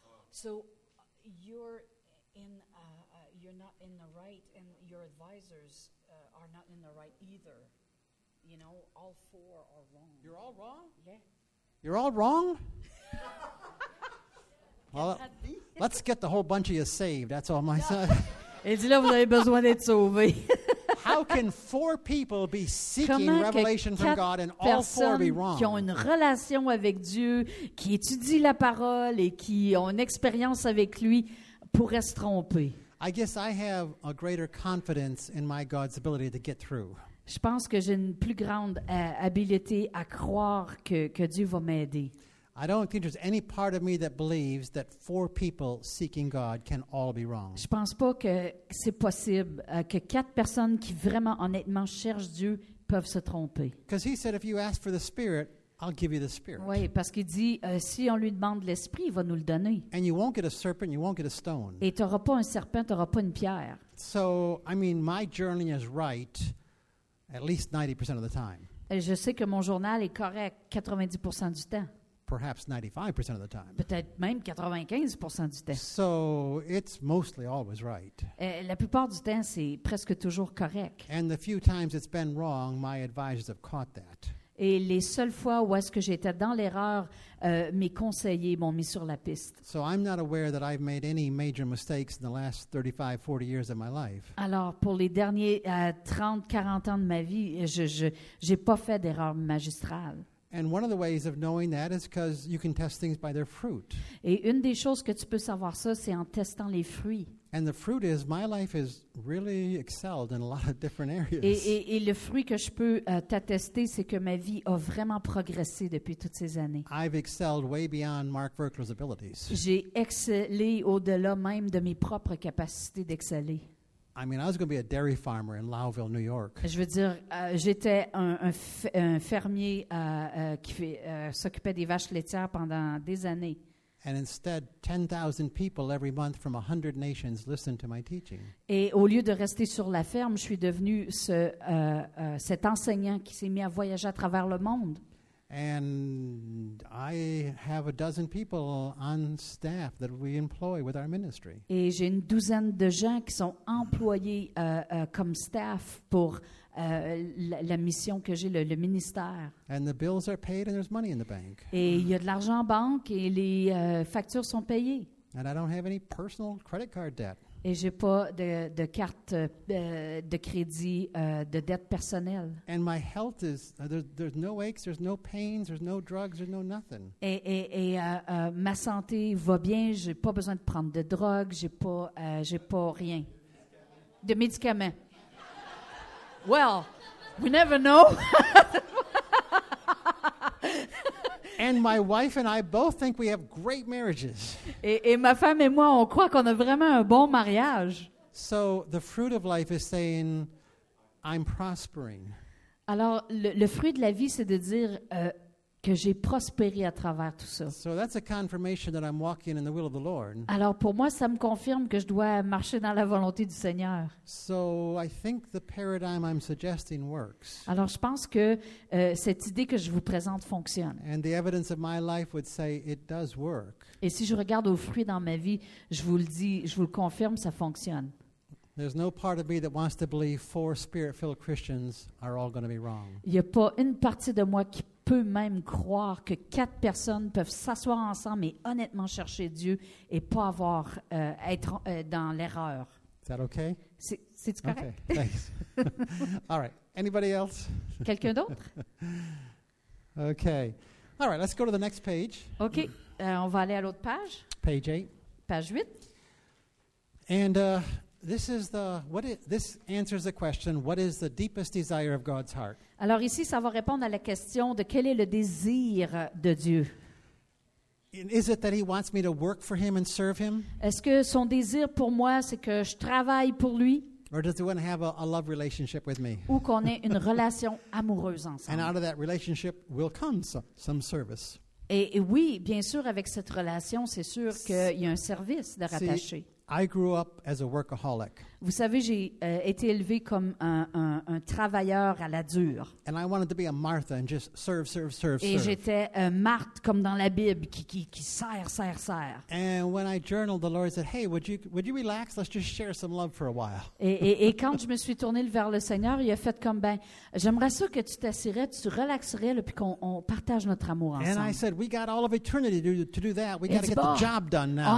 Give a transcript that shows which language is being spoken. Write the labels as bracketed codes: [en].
[en] So you're in you're not in the right, and your advisors are not in the right either. You know, all four are wrong. You're all wrong? Yeah. You're all wrong? Well, let's get the whole bunch of you saved. That's all my side. [fr] Il dit là, vous avez besoin d'être sauvés. [en] How can four people be seeking revelation from God and all four be wrong? [fr] Comment personnes qui ont une relation avec Dieu, qui étudient la parole et qui ont une expérience avec lui pourraient se tromper? [en] I guess I have a greater confidence in my God's ability to get through. [fr] Je pense que j'ai une plus grande habileté à croire que Dieu va m'aider. [en] I don't think there's any part of me that believes that four people seeking God can all be wrong. [fr] Je pense pas que c'est possible que quatre personnes qui vraiment honnêtement cherchent Dieu peuvent se tromper. [en] Because he said, if you ask for the Spirit, I'll give you the Spirit. [fr] Oui, parce qu'il dit si on lui demande l'Esprit, il va nous le donner. [en] And you won't get a serpent, you won't get a stone. [fr] Et t'auras pas un serpent, t'auras pas une pierre. [en] So, I mean, my journey is right at least 90% of the time. [fr] Et je sais que mon journal est correct 90% du temps. [en] Perhaps 95% of the time. [fr] Peut-être même 95% du temps. [en] So it's mostly always right. [fr] La plupart du temps, c'est presque toujours correct. [en] And the few times it's been wrong, my advisors have caught that. [fr] Et les seules fois où est-ce que j'étais dans l'erreur, mes conseillers m'ont mis sur la piste. [en] So I'm not aware that I've made any major mistakes in the last 35, 40 years of my life. [fr] Alors, pour les derniers 30, 40 ans de ma vie, je n'ai pas fait d'erreur magistrale. [en] And one of the ways of knowing that is because you can test things by their fruit. [fr] Et une des choses que tu peux savoir ça, c'est en testant les fruits. [en] And the fruit is my life has really excelled in a lot of different areas. [fr] Et le fruit que je peux t'attester, c'est que ma vie a vraiment progressé depuis toutes ces années. [en] I've excelled way beyond Mark Verkler's abilities. [fr] J'ai excellé au-delà même de mes propres capacités d'exceller. [en] I mean, I was going to be a dairy farmer in Lowville, New York. [fr] Je veux dire, j'étais un fermier qui s'occupait des vaches laitières pendant des années. [en] And instead, 10,000 people every month from 100 nations listened to my teaching. [fr] Et au lieu de rester sur la ferme, je suis devenu cet enseignant qui s'est mis à voyager à travers le monde. [en] And I have a dozen people on staff that we employ with our ministry. [fr] Et j'ai une douzaine de gens qui sont employés comme staff pour la mission que j'ai, le ministère. [en] And the bills are paid and there's money in the bank. [fr] Et il y a de l'argent en banque et les factures sont payées. [en] And I don't have any personal credit card debt. [fr] Et j'ai pas de carte de crédit de dette personnelle. [en] And my health is there's no aches, there's no pains, there's no drugs, there's no nothing. [fr] Et ma santé va bien, j'ai pas besoin de prendre de drogues, j'ai pas rien. De médicaments. [en] Well, we never know. And my wife and I both think we have great marriages. [fr] Et ma femme et moi, on croit qu'on a vraiment un bon mariage. [en] So the fruit of life is saying, I'm prospering. [fr] Alors, le fruit de la vie, c'est de dire que j'ai prospéré à travers tout ça. [en] So that's a confirmation that I'm walking in the will of the Lord. [fr] Alors, pour moi, ça me confirme que je dois marcher dans la volonté du Seigneur. [en] So I think the paradigm I'm suggesting works. [fr] Alors, je pense que cette idée que je vous présente fonctionne. [en] And the evidence of my life would say it does work. [fr] Et si je regarde aux fruits dans ma vie, je vous le dis, je vous le confirme, ça fonctionne. [en] There's no part of me that wants to believe four spirit-filled Christians are all going to be wrong. [fr] Il n'y a pas une partie de moi qui peut même croire que quatre personnes peuvent s'asseoir ensemble et honnêtement chercher Dieu et pas avoir être dans l'erreur. [en] Is that okay? [fr] C'est correct? [en] Okay, thanks. All right. Anybody else? [fr] Quelqu'un d'autre? [en] Okay. All right, let's go to the next page. [fr] Okay, on va aller à l'autre page. [en] Page 8. [fr] Page 8. [en] And this is the what is this answers the question, what is the deepest desire of God's heart? [fr] Alors ici, ça va répondre à la question de quel est le désir de Dieu. [en] Is it that he wants me to work for him and serve him? [fr] Est-ce que son désir pour moi, c'est que je travaille pour lui? [en] Or does he want to have a love relationship with me? [fr] Ou qu'on ait une relation amoureuse ensemble. [en] And out of that relationship will come some service. [fr] Et oui, bien sûr, avec cette relation, c'est sûr qu'il y a un service de rattacher. [en] I grew up as a workaholic. [fr] Vous savez, j'ai été élevé comme un travailleur à la dure. [en] And I wanted to be a Martha and just serve, serve, serve, serve. [fr] Et j'étais Marthe comme dans la Bible, qui sert, sert, sert. [en] And when I journaled, the Lord said, "Hey, would you relax? Let's just share some love for a while." [fr] Et quand je me suis tourné vers le Seigneur, il a fait comme ben, j'aimerais ça que tu t'assirais, tu relaxerais, puis qu'on partage notre amour ensemble. [en] And I said, "We got all of eternity to do that. We got to get the job done now."